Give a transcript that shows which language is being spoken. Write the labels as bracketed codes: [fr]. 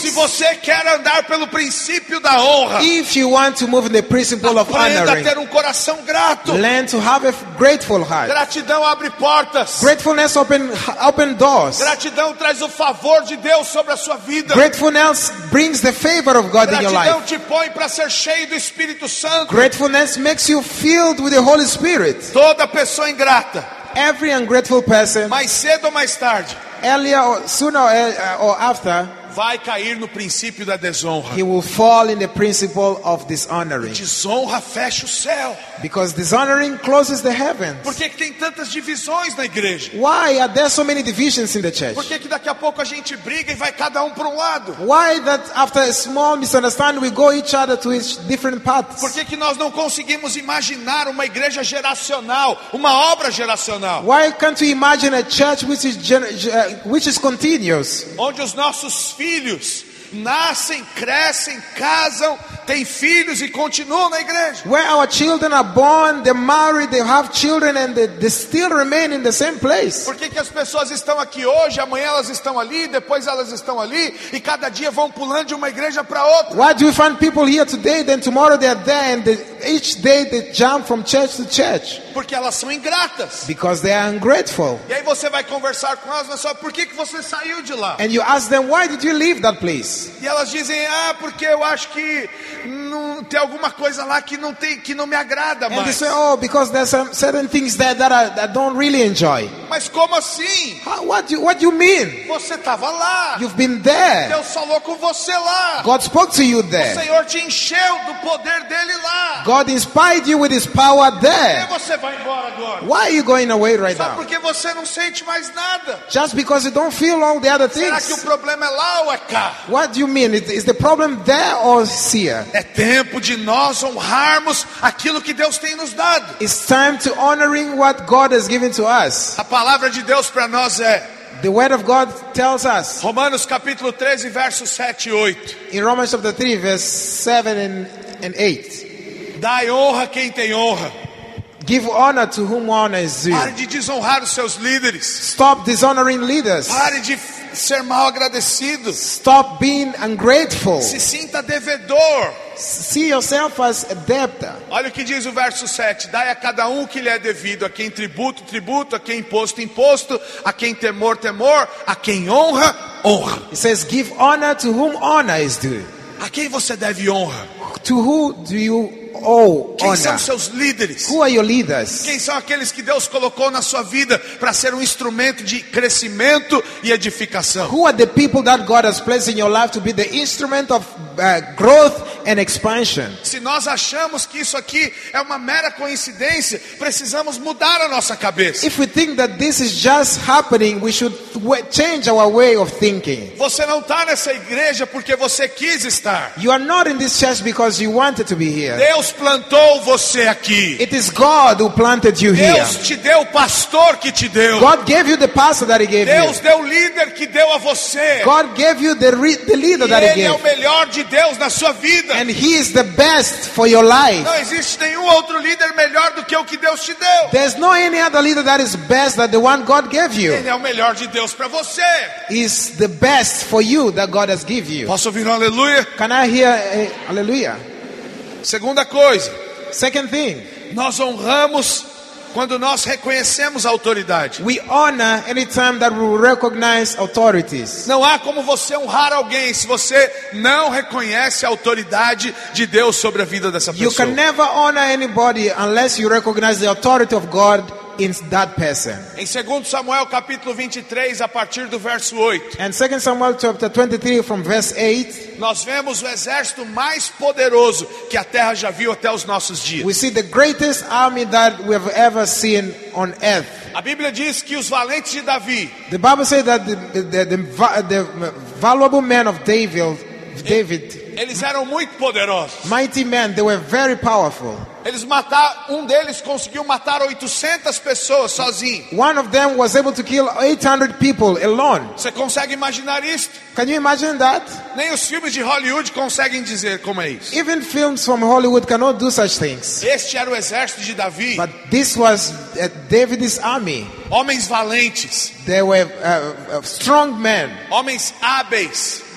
[pt] Se você quer andar pelo princípio da honra, [en] if you want to move in the principle of honoring, [pt] um coração grato. [en] Learn to have a grateful heart. [pt] Gratidão abre portas. [en] Gratefulness open doors. [pt] Gratidão traz o favor de Deus sobre a sua vida. [en] Gratefulness brings the favor of God. [pt] Gratidão [en] in your life. [pt] Gratidão te põe para ser cheio do Espírito Santo. [en] Gratefulness makes you filled with the Holy Spirit. [pt] Toda pessoa ingrata. [en] Every ungrateful person. [pt] Mais cedo ou mais tarde. [en] Earlier or sooner or after. [pt] vai cair no princípio da desonra. [en] He will fall in the principle of dishonoring. [pt] E desonra fecha o céu. [en] Because dishonoring closes the heavens. [pt] Por que tem tantas divisões na igreja? [en] Why are there so many divisions in the church? [pt] Por que daqui a pouco a gente briga e vai cada para lado? [en] Why that after a small misunderstanding we go each other to each different paths? [pt] Por que nós não conseguimos imaginar uma igreja geracional, uma obra geracional? [en] Why can't we imagine a church which is continuous? [pt] Onde os nossos filhos nascem, crescem, casam, têm filhos e continuam na igreja. [en] Where our children are born, they marry, they have children and they still remain in the same place. [pt] Por que as pessoas estão aqui hoje, amanhã elas estão ali, depois elas estão ali e cada dia vão pulando de uma igreja para outra? [en] Why do we find people here today, then tomorrow they are there and each day they jump from church to church? [pt] Porque elas são ingratas. [en] Because they are ungrateful. [pt] E aí você vai conversar com elas, mas só por que você saiu de lá? [en] And you ask them, why did you leave that place? [pt] E elas dizem, ah, porque eu acho que não, tem alguma coisa lá que não, tem, que não me agrada mais. [en] And they say, oh, because there's some certain things there that I don't really enjoy. [pt] Mas como assim? [en] What do you mean? [pt] Você estava lá. [en] You've been there. [pt] Deus falou com você lá. [en] God spoke to you there. [pt] O Senhor te encheu do poder dele lá. [en] God inspired you with his power there. [pt] Por que você vai embora agora? [en] Why are you going away right [pt] Só [en] now? [pt] Só porque você não sente mais nada. [en] Just because you don't feel all the other things. [pt] Será que o problema é lá ou é cá? [en] What do you mean? Is the problem there or here? [pt] É tempo de nós honrarmos aquilo que Deus tem nos dado. [en] It's time to honoring what God has given to us. [pt] A palavra de Deus para nós é. [en] The word of God tells us. [pt] Romanos capítulo 13, versos 7 e 8. [en] In Romans chapter 3, verse 7 and 8. [pt] Dai honra a quem tem honra. [en] Give honor to whom honor is due. [pt] Pare de desonrar os seus líderes. [en] Stop dishonoring leaders. [pt] Pare de ser mal agradecido. [en] Stop being ungrateful. [pt] Se sinta devedor. [en] See yourself as a debtor. [pt] Olha o que diz o verso 7. Dai a cada um o que lhe é devido. A quem tributo, tributo. A quem imposto, imposto. A quem temor, temor. A quem honra, honra. [en] It says, give honor to whom honor is due. [pt] A quem você deve honra? [en] To who do you owe honor? [pt] Quem são seus líderes? [en] Who are your leaders? [pt] Quem são aqueles que Deus colocou na sua vida para ser um instrumento de crescimento e edificação? [en] Who are the people that God has placed in your life to be the instrument of growth and expansion? [pt] Se nós achamos que isso aqui é uma mera coincidência, precisamos mudar a nossa cabeça. [en] If we think that this is just happening, we should change our way of thinking. [pt] Você não está nessa igreja porque você quis estar. [en] You are not in this church because you wanted to be here. [pt] Deus plantou você aqui. [en] It is God who planted you here. [pt] Deus te deu o pastor que te deu. [en] God gave you the pastor that he gave [pt] Deus Deus deu o líder que deu a você. [en] God gave you the leader [pt] e [en] that he gave. [pt] Ele é o melhor de Deus na sua vida. [en] And he is the best for your life. [pt] Não existe nenhum outro líder melhor do que o que Deus te deu. [en] There's no any other leader that is best than the one God gave you. [pt] Ele é o melhor de Deus para você. [en] Is the best for you that God has given you. [pt] Posso ouvir um aleluia? [en] Can I hear a aleluia? [pt] Segunda coisa. [en] Second thing. [pt] Nós honramos quando nós reconhecemos a autoridade. [en] We honor any time that we recognize authorities. [pt] Não há como você honrar alguém se você não reconhece a autoridade de Deus sobre a vida dessa pessoa. [en] You can never honor anybody unless you recognize the authority of God in that person. [pt] Em 2 Samuel capítulo 23 a partir do verso 8. [en] And 2 Samuel chapter 23 from verse 8. [pt] Nós vemos o exército mais poderoso que a terra já viu até os nossos dias. [en] We see the greatest army that we have ever seen on earth. [pt] A Bíblia diz que os valentes de Davi. [en] The Bible says that the valuable men of David. [pt] Eles eram muito poderosos. [en] Mighty men, they were very powerful. [pt] Eles mataram, um deles conseguiu matar 800 pessoas sozinho. [en] One of them was able to kill 800 people alone. [pt] Você consegue imaginar isso? [en] Can you imagine that? [pt] Nem os filmes de Hollywood conseguem dizer como é isso. [en] Even films from Hollywood cannot do such things. [pt] Este era o exército de Davi. [en] But this was David's army. [pt] Homens valentes. [en] They were strong men. [pt] Homens hábeis.